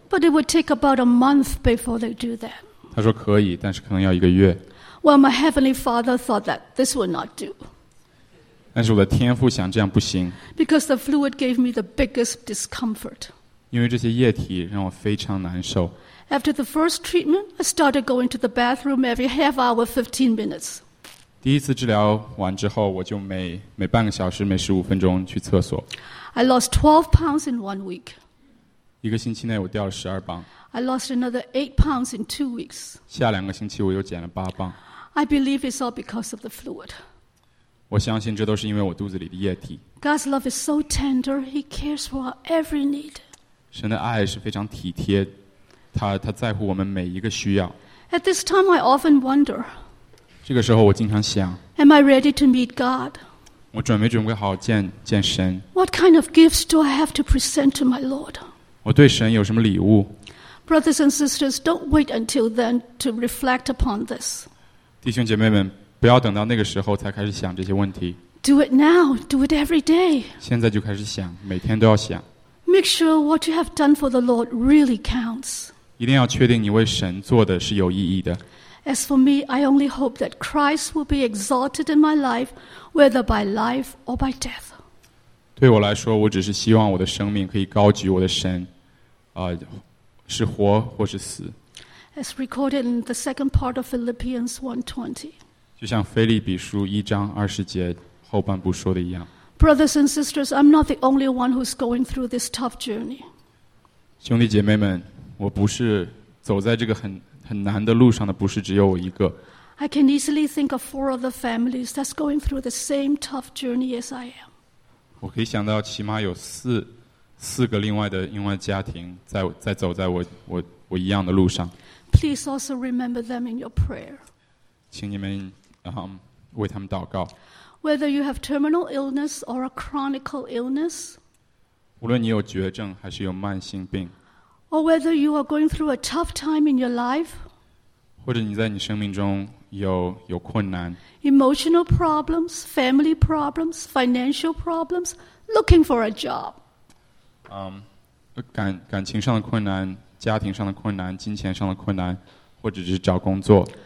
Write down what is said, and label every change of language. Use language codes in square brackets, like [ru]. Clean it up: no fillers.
[en] ？But it would take about a month before they do that. [zh] 他说可以，但是可能要一个月。 [en] Well, my heavenly father thought that this would not do. [zh] 但是我的天父想这样不行。 [en] Because the fluid gave me the biggest discomfort. [zh] 因为这些液体让我非常难受。 [en] After the first treatment, I started going to the bathroom every half hour, 15 minutes. [zh] 第一次治疗完之后，我就每半个小时、每十五分钟去厕所。 [en] I lost 12 pounds in 1 week. [zh] 一个星期内我掉了12磅。 [en] I lost another 8 pounds in 2 weeks. [zh] 下两个星期我又减了八磅。 [en] I believe it's all because of the fluid. [zh] 我相信这都是因为我肚子里的液体。 [en] God's love is so tender; He cares for our every need. [zh] 神的爱是非常体贴，他在乎我们每一个需要。 [en] At this time, I often wonder. [zh] 这个时候我经常想。 [en] Am I ready to meet God? [zh] 我准备好见神。 [en] What kind of gifts do I have to present to my Lord? [zh] 我对神有什么礼物？ [en] Brothers and sisters, don't wait until then to reflect upon this. [zh] 弟兄姐妹们，不要等到那个时候才开始想这些问题。 [en] Do it now. Do it every day. [zh] 现在就开始想，每天都要想。 [en] Make sure what you have done for the Lord really counts. [zh] 一定要确定你为神做的是有意义的。 [en] As for me, I only hope that Christ will be exalted in my life, whether by life or by death. [zh] 对我来说，我只是希望我的生命可以高举我的神，是活或是死。 [en] As recorded in the second part of Philippians 1:20. [zh] 就像腓立比书一章二十节后半部说的一样。 [en] Brothers and sisters, I'm not the only one who's going through this tough journey. [zh] 兄弟姐妹们，我不是走在这个很难的路上的，不是只有我一个。 [en] I can easily think of four other families that's going through the same tough journey as I am. [zh] 我可以想到起码有四个另外家庭在走在我一样的路上。 [en] Please also remember them in your prayer. [zh] 请你们为他们祷告。 [en] Whether you have terminal illness or a chronic illness, [zh] 无论你有绝症还是有慢性病。 [en] Or whether you are going through a tough time in your life, [zh] 或者你在你生命中有困难。 [en] Emotional problems, family problems, financial problems, looking for a job. [zh] 感情上的困难，家庭上的困难，金钱上的困难，或者是找工作。